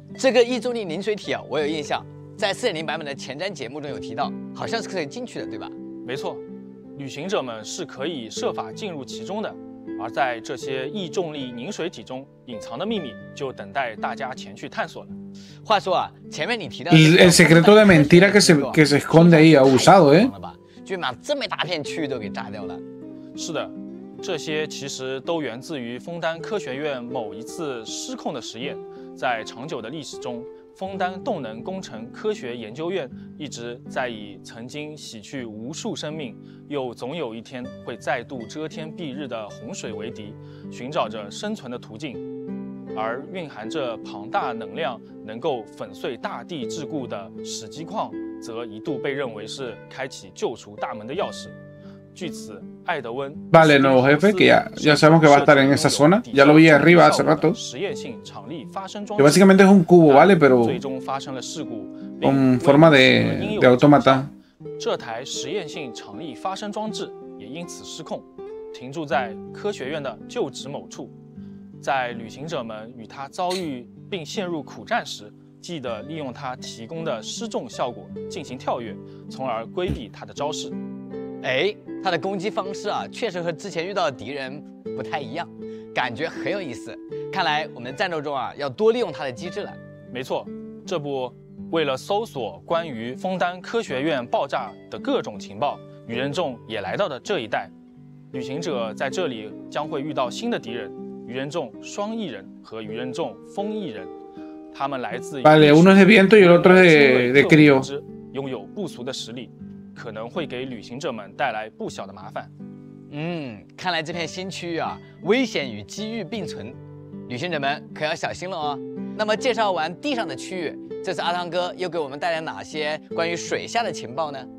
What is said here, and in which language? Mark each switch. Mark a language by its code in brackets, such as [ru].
[zh] 这个异重力凝水体啊，我有印象，在 4.0 版本的前瞻节目中有提到，好像是可以进去的，对吧？没错，旅行者们是可以设法进入其中的，而在这些异重力凝水体中隐藏的秘密就等待大家前去探索了。话说啊，前面你提到 [es] 的 el secreto de mentira que se esconde ahí ha usado, ¿eh? [zh] 居然把这么大片区域都给炸掉了。是的，这些其实都源自于枫丹科学院某一次失控的实验。在长久的历史中，枫丹动能工程科学研究院一直在以曾经洗去无数生命，又总有一天会再度遮天蔽日的洪水为敌，寻找着生存的途径。而蕴含着庞大能量能够粉碎大地桎梏的史基矿，则一度被认为是开启救赎大门的钥匙。据此，艾德温 [es] Vale, nuevo jefe, que ya sabemos que va a estar en esa zona. Ya lo vi arriba hace rato. Que básicamente es un cubo, ¿vale? Pero con forma de automata. [zh] 这台实验性场力发生装置也因此失控，停驻在科学院的旧址某处。在旅行者们与他遭遇并陷入苦战时，记得利用他提供的失重效果进行跳跃，从而规避他的招式。哎，他的攻击方式啊，确实和之前遇到的敌人不太一样，感觉很有意思。看来我们的战斗中啊，要多利用他的机制了。没错，这不，为了搜索关于枫丹科学院爆炸的各种情报，愚人众也来到了这一带。旅行者在这里将会遇到新的敌人，愚人众双翼人和愚人众风翼人，他们来自于。 [es] Vale, uno es de viento y el otro es de crío. [zh] 拥有不俗的实力。可能会给旅行者们带来不小的麻烦。嗯，看来这片新区域啊，危险与机遇并存，旅行者们可要小心了哦。那么介绍完地上的区域，这次阿汤哥又给我们带来哪些关于水下的情报呢？